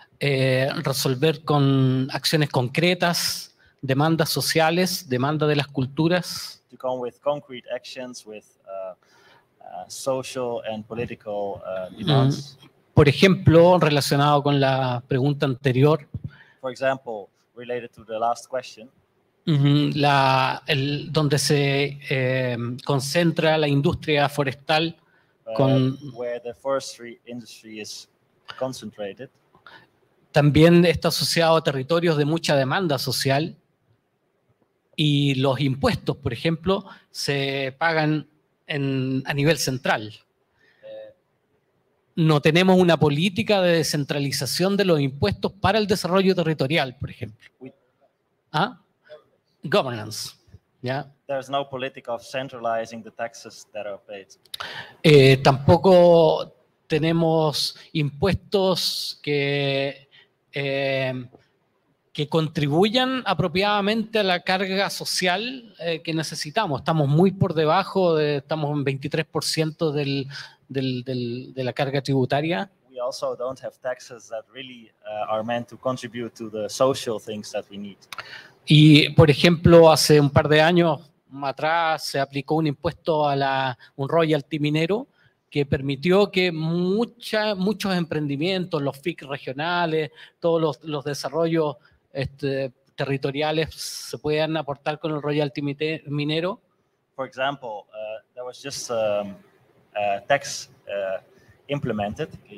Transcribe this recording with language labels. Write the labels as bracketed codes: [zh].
[es] Resolver con acciones concretas, demandas sociales, demanda de las culturas. [en] To come with concrete actions with social and political demands. [es] Por ejemplo, relacionado con la pregunta anterior. [en] For example, related to the last question. [es] Donde se concentra la industria forestal con. [en] Where the forestry industry is concentrated. [es] También está asociado a territorios de mucha demanda social. Y los impuestos, por ejemplo, se pagan a nivel central. No tenemos una política de descentralización de los impuestos para el desarrollo territorial, por ejemplo. ¿Ah? Governance. ¿Ya? [en] There's no politic of centralizing the taxes that are paid. [es] Tampoco tenemos impuestos que contribuyan apropiadamente a la carga social que necesitamos. Estamos muy por debajo, estamos en 23% de la carga tributaria. [en] We also don't have taxes that really are meant to contribute to the social things that we need. [es] Y, por ejemplo, hace un par de años atrás se aplicó un impuesto a un royalty minero que permitió que muchos emprendimientos, los FIC regionales, todos los desarrollos territoriales se puedan aportar con el royalty minero. [en] For example, there was just a tax implemented.